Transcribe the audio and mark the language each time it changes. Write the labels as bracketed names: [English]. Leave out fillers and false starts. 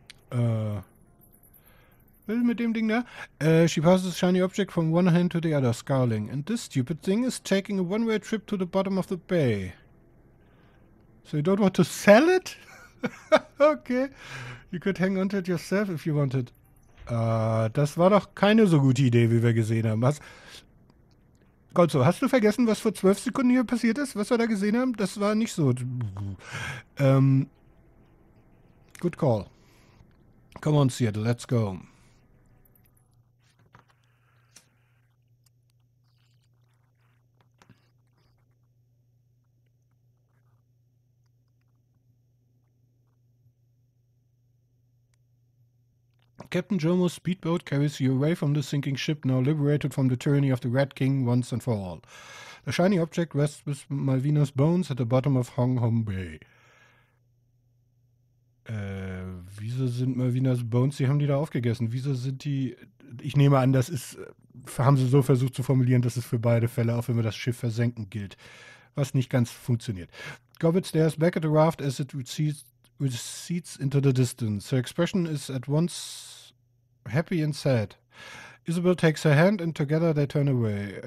[German] Was mit dem Ding da? [English] She passes a shiny object from one hand to the other, scowling. And this stupid thing is taking a one-way trip to the bottom of the bay. So you don't want to sell it? Okay. You could hang on to it yourself if you wanted. [German] Das war doch keine so gute Idee, wie wir gesehen haben. Was? Gott, so, hast du vergessen, was vor 12 Sekunden hier passiert ist? Was wir da gesehen haben? Das war nicht so. [English] Good call. Come on, Seattle, let's go. Captain Jomo's speedboat carries you away from the sinking ship, now liberated from the tyranny of the Red King once and for all. The shiny object rests with Malvina's bones at the bottom of Hong Hong Bay. [German] Wieso sind Malvina's Bones, die haben die da aufgegessen? Wieso sind die, ich nehme an, das ist, haben sie so versucht zu formulieren, dass es für beide Fälle, auch wenn wir das Schiff versenken, gilt. Was nicht ganz funktioniert. [English] Gobbled stares back at the raft as it recedes into the distance. Her expression is at once happy and sad. Isabel takes her hand and together they turn away.